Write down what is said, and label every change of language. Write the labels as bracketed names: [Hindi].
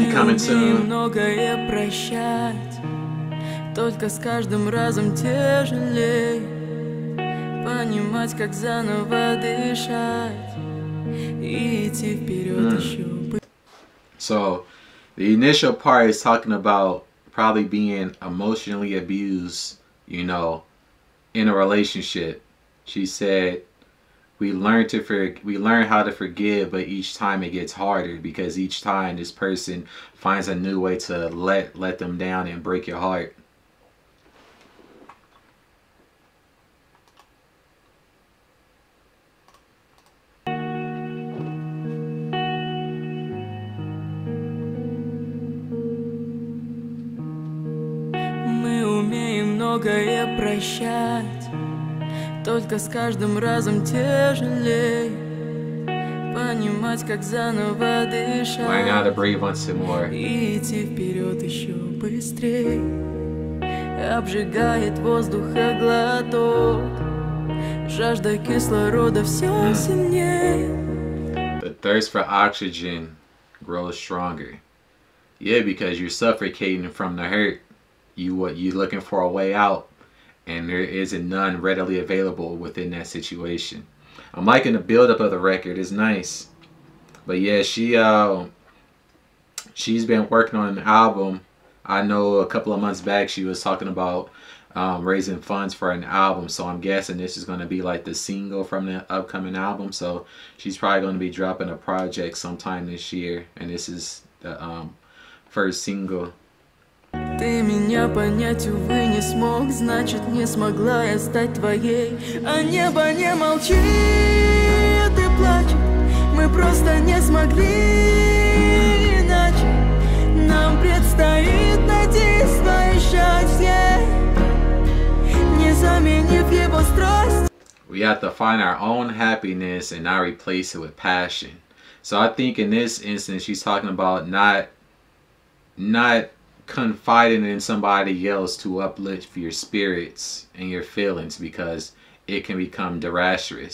[Russian] Многое прощать, только с каждым разом тяжелей. Понимать, как заново дышать и идти вперед еще. [English] So, the initial part is talking about probably being emotionally abused, you know, in a relationship. She said, We learn how to forgive, but each time it gets harder because each time this person finds a new way to let them down and break your heart. [Russian] Мы умеем многое прощать. Только с каждым разом тяжелей понимать, как заново дышать и идти вперед еще быстрее. Обжигает воздух глоток, жажда кислорода все сильнее. [English] The thirst for oxygen grows stronger. Yeah, because you're suffocating from the hurt. You're looking for a way out. And there isn't none readily available within that situation. I'm liking the buildup of the record. It's nice. But yeah, she's been working on an album. I know a couple of months back she was talking about raising funds for an album. So I'm guessing this is going to be like the single from the upcoming album. So she's probably going to be dropping a project sometime this year. And this is the first single. [Russian] Ты меня понять, увы, не смог. Значит, не смогла я стать твоей. А небо не молчит и плачет. Мы просто не смогли иначе. Нам предстоит найти свое счастье, не заменив его страсть. [English] We have to find our own happiness and not replace it with passion. So I think in this instance, she's talking about not confiding in somebody else to uplift your spirits and your feelings, because it can become disastrous.